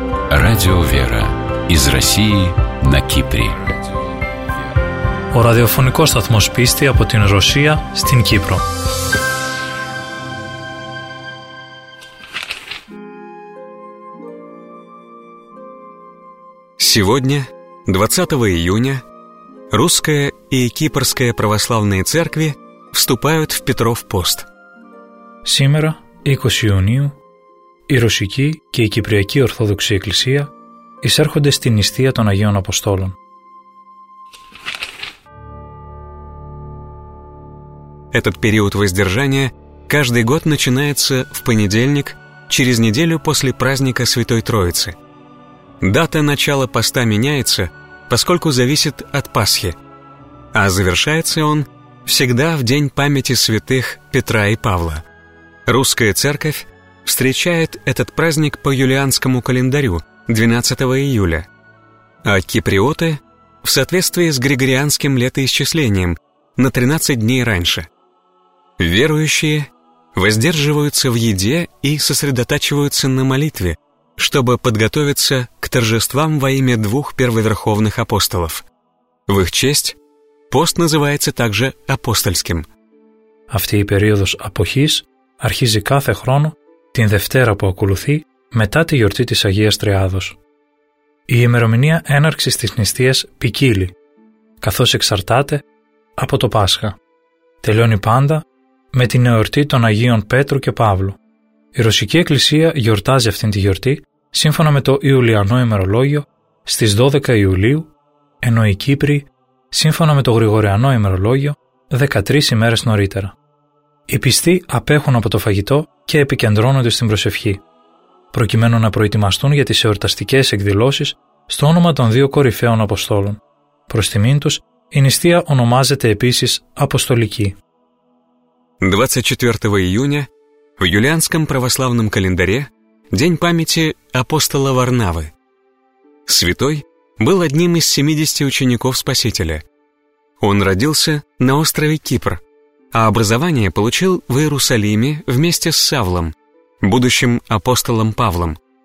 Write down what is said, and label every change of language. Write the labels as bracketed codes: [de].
[ru] Радио «Вера» из России на Кипре. [el] Ο ραδιοφωνικός σταθμός πίστη από την Ρωσία στην Κύπρο. [ru] Сегодня, 20 июня, русская и кипрская православные церкви вступают в Петров пост. Сегодня, 20 июня, [el] η Ρωσική και η Κυπριακή Ορθόδοξη Εκκλησία εισέρχονται στην νηστεία των Αγίων Αποστόλων. [ru] Этот период воздержания каждый год начинается в понедельник, через неделю после праздника Святой Троицы. Дата начала поста меняется, поскольку зависит от Пасхи, а завершается он всегда в день памяти святых Петра и Павла. Русская церковь встречает этот праздник по юлианскому календарю 12 июля, а киприоты в соответствии с григорианским летоисчислением на 13 дней раньше. Верующие воздерживаются в еде и сосредотачиваются на молитве, чтобы подготовиться к торжествам во имя двух первоверховных апостолов. В их честь пост называется также апостольским. [el] Αυτή η περίοδος αποχής αρχίζει κάθε χρόνο την Δευτέρα που ακολουθεί μετά τη γιορτή της Αγίας Τριάδος. Η ημερομηνία έναρξης της νηστείας ποικίλει, καθώς εξαρτάται από το Πάσχα. Τελειώνει πάντα με την εορτή των Αγίων Πέτρου και Παύλου. Η Ρωσική Εκκλησία γιορτάζει αυτήν τη γιορτή σύμφωνα με το Ιουλιανό ημερολόγιο στις 12 Ιουλίου, ενώ οι Κύπροι σύμφωνα με το Γρηγοριανό ημερολόγιο 13 ημέρες νωρίτερα. Οι πιστοί απέχουν από το φαγητό και επικεντρώνονται στην προσευχή, προκειμένου να προετοιμαστούν για τις εορταστικές εκδηλώσεις στο όνομα των δύο κορυφαίων Αποστόλων. Προς τιμήν τους, η νηστεία ονομάζεται επίσης Αποστολική. [ru] 24 июня в юлианском православном календаре день памяти апостола Варнавы. Святой был одним из 70 учеников Спасителя. Он родился на острове Кипр, а образование получил в Иерусалиме вместе с Савлом, будущим апостолом Павлом.